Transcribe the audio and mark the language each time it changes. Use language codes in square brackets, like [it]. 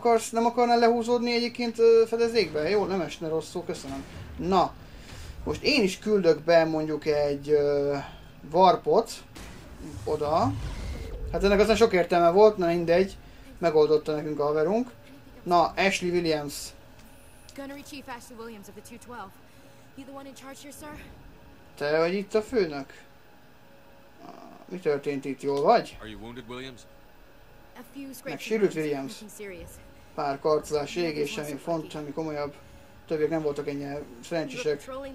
[hu] Nem akarnál lehúzódni egyébként fedezékbe? Jó, nem esne rosszul, köszönöm. Na. Most én is küldök be mondjuk egy warpot. Oda. Hát ennek aztán sok értelme volt, na mindegy. Megoldotta nekünk a haverunk. Na, Ashley Williams. [en] Gunnery Chief Ashley Williams of the 212. You the one in charge here, sir? [hu] Te vagy itt a főnök? Mi történt itt, jól vagy? [en] Are you wounded, Williams? [hu] Megsérült, Williams. Pár karcolás, égés, semmi font, semmi komolyabb. Többiek nem voltak ennyire szerencsések.